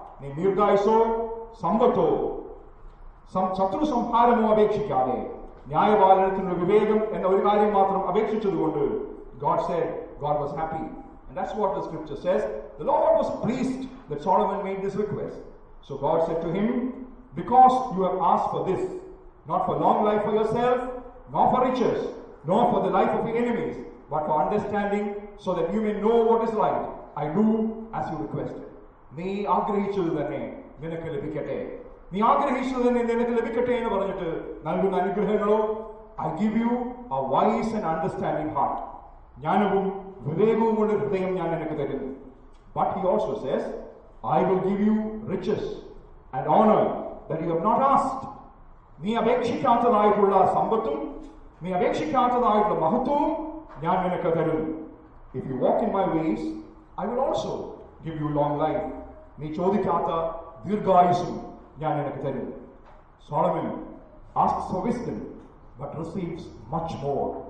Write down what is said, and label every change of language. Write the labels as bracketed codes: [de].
[ml] Nee neergayaso sambato ശത്രു സംഹാരമോ അപേക്ഷിക്കാതെ ന്യായപാലനത്തിനുള്ള വിവേകം എന്ന ഒരു കാര്യം മാത്രം അപേക്ഷിച്ചതുകൊണ്ട് [en] God said, God was happy. And that's what the scripture says. The Lord was pleased that Solomon made this request. So God said to him, because you have asked for this, not for long life for yourself, nor for riches, nor for the life of your enemies, but for understanding, so that you may know what is right, I do as you requested. [ml] നീ ആഗ്രഹിച്ചത് തന്നെ നിനക്ക് ലഭിക്കട്ടെ. നീ ആഗ്രഹിച്ചത് തന്നെ നിനക്ക് ലഭിക്കട്ടെ എന്ന് പറഞ്ഞിട്ട് നൽകുന്ന അനുഗ്രഹങ്ങളോ, [en] I give you a wise and understanding heart, [ml] ജ്ഞാനവും വിവേകവും കൊണ്ട് ഹൃദയം ഞാൻ നിനക്ക് തരുന്നു. [en] But he also says, I will give you riches and honour that you have not asked. [ml] നീ അപേക്ഷിക്കാത്തതായിട്ടുള്ള സമ്പത്തും നീ അപേക്ഷിക്കാത്തതായിട്ടുള്ള മഹത്വവും ഞാൻ നിനക്ക് തരുന്നു. [en] If you walk in my ways, I will also give you long life. [ml] നീ ചോദിക്കാത്ത ദീർഘായുസ്സും ഞാൻ നിനക്ക് തരും. [en] Solomon asks for wisdom but receives much more.